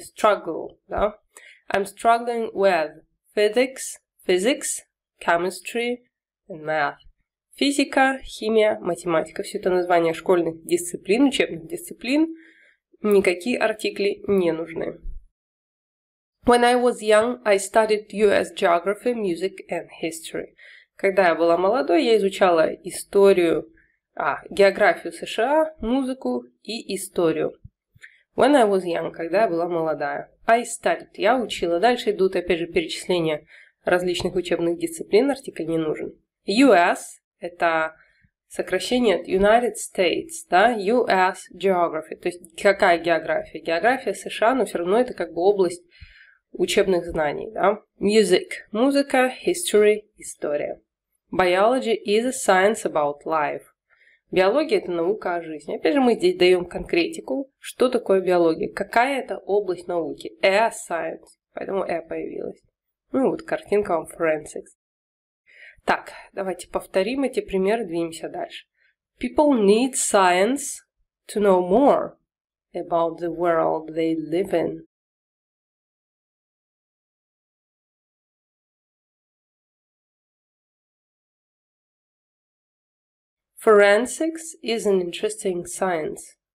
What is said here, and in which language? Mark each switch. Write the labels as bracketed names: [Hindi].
[English] Struggle, да. I'm struggling with physics, chemistry and math. [Russian] Физика, химия, математика. Все это название школьных дисциплин, учебных дисциплин. Никакие артикли не нужны. [English] When I was young, I studied US geography, music and history. [Russian] Когда я была молодой, я изучала историю, географию США, музыку и историю. [English] When I was young, [Russian] когда я была молодая. [English] I studied, [Russian] я учила. Дальше идут, опять же, перечисления различных учебных дисциплин, артикль не нужен. US, это сокращение от United States, да, US geography. То есть, какая география? География США, но все равно это как бы область учебных знаний, да. [English] Music, музыка, history, история. Biology is a science about life. [Russian] Биология – это наука о жизни. Опять же, мы здесь даем конкретику, что такое биология, какая это область науки. A science, поэтому A появилась. Ну вот, картинка вам forensics. Так, давайте повторим эти примеры, двинемся дальше. [English] People need science to know more about the world they live in. Forensics is an interesting science.